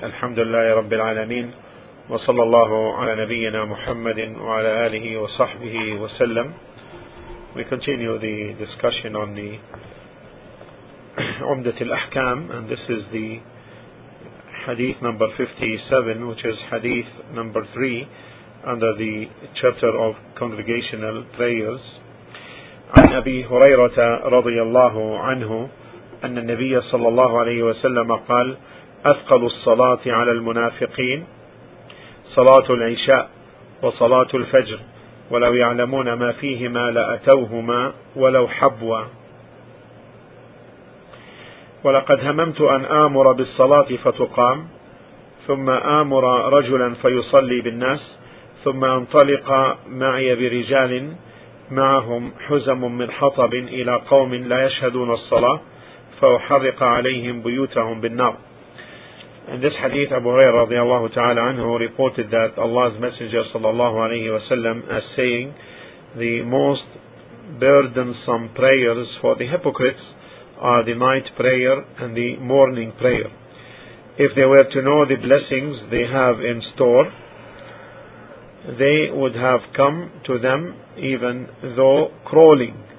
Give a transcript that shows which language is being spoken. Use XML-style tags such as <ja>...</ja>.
<ar>الحمد لله رب العالمين، وصلى الله على نبينا محمد وعلى آله وصحبه وسلم.</ar> <en>We continue the discussion on the عمدة الأحكام, and this is the hadith number 57, which is hadith number 3 under the chapter of congregational prayers.</en> <ar>عن أبي هريرة رضي الله عنه أن النبي صلى الله عليه وسلم قال: أثقل الصلاة على المنافقين صلاة العشاء وصلاة الفجر، ولو يعلمون ما فيهما لأتوهما ولو حبوا. ولقد هممت أن آمر بالصلاة فتقام، ثم آمر رجلا فيصلي بالناس، ثم انطلق معي برجال معهم حزم من حطب إلى قوم لا يشهدون الصلاة، فأحرق عليهم بيوتهم بالنار.</ar> <en>And this hadith, Abu Hurairah radiallahu ta'ala anhu reported that Allah's Messenger sallallahu alayhi wa sallam as saying, the most burdensome prayers for the hypocrites are the night prayer and the morning prayer. If they were to know the blessings they have in store, they would have come to them even though crawling.</en>